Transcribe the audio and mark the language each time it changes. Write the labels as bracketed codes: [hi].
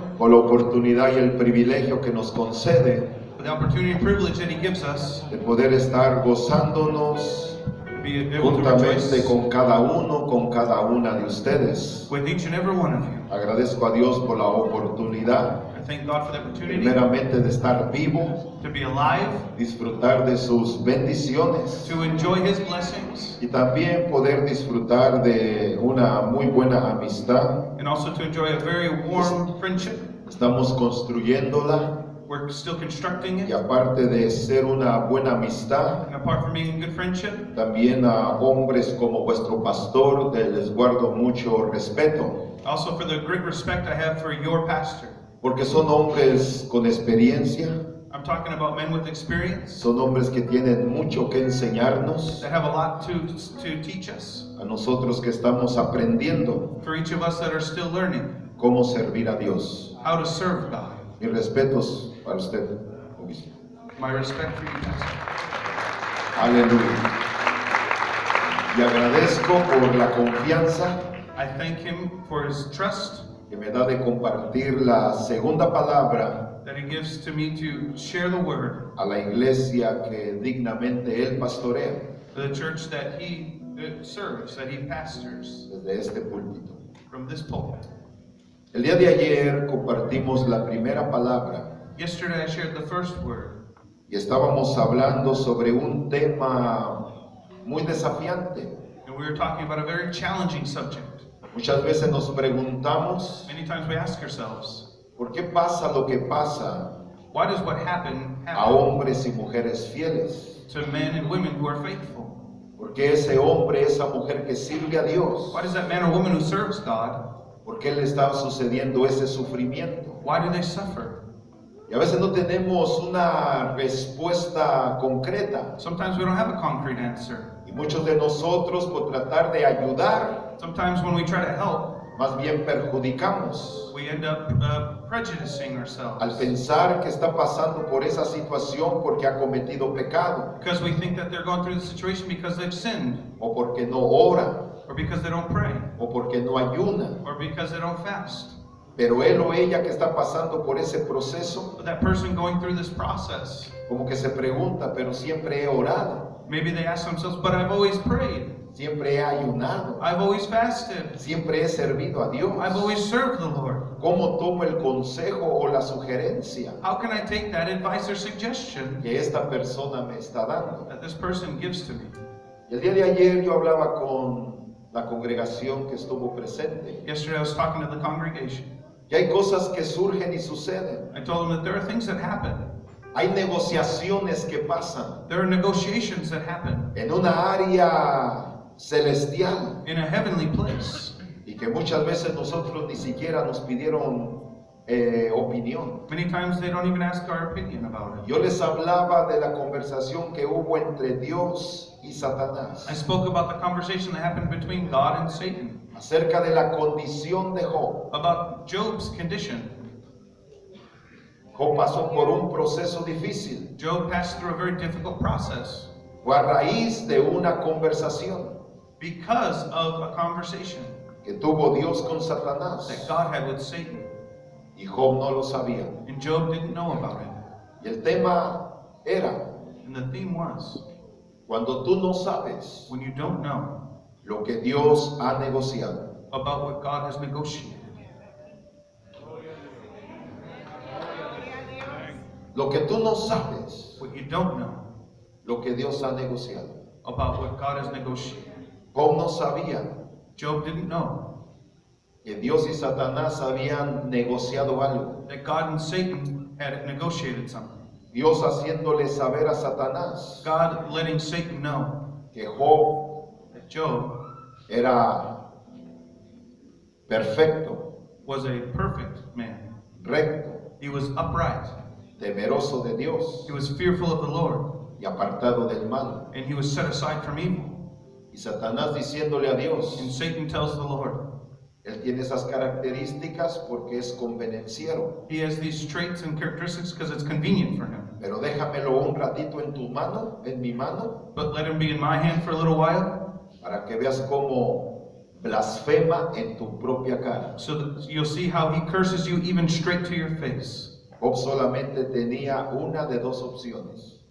[es] Por la oportunidad y el privilegio que nos concede. [en] For the opportunity and privilege that he gives us. [es] De poder estar gozándonos. [en] Be able [es] juntamente [en] to rejoice. [es] Con cada uno, con cada una de ustedes. [en] With each and every one of you. [es] Agradezco a Dios por la oportunidad. [en] Thank God for the opportunity. [es] Primeramente de estar vivo, [en] to be alive, [es] disfrutar de sus bendiciones, [en] to enjoy his blessings, [es] y también poder disfrutar de una muy buena amistad, [en] and also to enjoy a very warm friendship. [es] Estamos construyéndola. [en] We're still constructing it. [es] Y aparte de ser una buena amistad, [en] and apart from being a good friendship, [es] también a hombres como vuestro pastor les guardo mucho respeto. [en] Also for the great respect I have for your pastor. [es] Porque son hombres con experiencia. [en] I'm talking about men with experience. [es] Son hombres que tienen mucho que enseñarnos. [en] That have a lot to teach us. [es] A nosotros que estamos aprendiendo. [en] For each of us that are still learning. [es] Cómo servir a Dios. [en] How to serve God. [es] Mis respetos para usted. [en] My respect for you, Pastor. [es] Aleluya. Y agradezco por la confianza. [en] I thank him for his trust. [es] Que me da de compartir la segunda palabra [en] that he gives to me to share the word [es] a la iglesia que dignamente él pastorea, [en] the church that he serves, that he pastors, [es] desde este púlpito. [en] From this pulpit. [es] El día de ayer compartimos la primera palabra. [en] Yesterday I shared the first word. [es] Y estábamos hablando sobre un tema muy desafiante. [en] And we were talking about a very challenging subject. [es] Muchas veces nos preguntamos, [en] many times we ask ourselves, [es] ¿por qué pasa lo que pasa? [en] Why does what happen happen [es] a hombres y mujeres fieles? [en] To men and women who are faithful? [es] ¿Por qué ese hombre, esa mujer que sirve a Dios? [en] Why does that man or woman who serves God? [es] ¿Por qué le está sucediendo ese sufrimiento? [en] Why do they suffer? [es] Y a veces no tenemos una respuesta concreta. [en] Sometimes we don't have a concrete answer. [es] Y muchos de nosotros por tratar de ayudar, [en] sometimes when we try to help, [es] más bien perjudicamos, [en] we end up prejudicing ourselves. [es] Al pensar que está pasando por esa situación porque ha cometido pecado. [en] Because we think that they're going through the situation because they've sinned. [es] O porque no ora. [en] Or because they don't pray. [es] O porque no ayuna. [en] Or because they don't fast. [es] Pero él o ella que está pasando por ese proceso, [en] but that person going through this process, [es] como que se pregunta, pero siempre he orado. [en] Maybe they ask themselves, but I've always prayed. [es] Siempre he ayunado. [en] I've always fasted. [es] Siempre he servido a Dios. [en] I've always served the Lord. [es] ¿Cómo tomo el consejo o la sugerencia? [en] How can I take that advice or suggestion [es] que esta persona me está dando? [en] That this person gives to me. [es] Y el día de ayer yo hablaba con la congregación que estuvo presente. [en] Yesterday I was talking to the congregation. [es] Y hay cosas que surgen y suceden. [en] I told them that there are things that happen. [es] Hay negociaciones que pasan. [en] There are negotiations that happen. [es] en una área celestial. [en] In a heavenly place. [es] Y que muchas veces nosotros ni siquiera nos pidieron opinión. [en] Many times they don't even ask our opinion about it. [es] Yo les hablaba de la conversación que hubo entre Dios y Satanás. [en] I spoke about the conversation that happened between God and Satan. [es] Acerca de la condición de Job. [en] About Job's condition. [es] Job pasó por un proceso difícil. [en] Job passed through a very difficult process. [es] O a raíz de una conversación. [en] Because of a conversation. [es] Que tuvo Dios con Satanás. [en] That God had with Satan. [es] Y Job no lo sabía. [en] And Job didn't know about it. [es] Y el tema era. [en] And the theme was. [es] Cuando tú no sabes. [en] When you don't know. [es] Lo que Dios ha negociado. [en] About what God has negotiated. [es] Lo que tú no sabes. [en] What you don't know. [es] Lo que Dios ha negociado. [en] About what God has negotiated. [es] Job no sabía. [en] Job didn't know. [es] Que Dios y Satanás habían negociado algo. [en] That God and Satan had negotiated something. [es] Dios haciéndole saber a Satanás. [en] God letting Satan know. [es] Que Job. [en] That Job. [es] Era. Perfecto. [en] Was a perfect man. [es] Recto. [en] He was upright. [es] Temeroso de Dios. [en] He was fearful of the Lord. [es] Y apartado del mal. [en] And he was set aside from evil. [es] Y Satanás diciéndole a Dios. [en] And Satan tells the Lord. [es] Él tiene esas características porque es convenenciero. [en] He has these traits and characteristics because it's convenient for him. [es] Pero déjamelo un ratito en tu mano, en mi mano. [en] But let him be in my hand for a little while. [es] Para que veas cómo blasfema en tu propia cara. [en] So you'll see how he curses you even straight to your face. [es] Job solamente tenía una de dos opciones.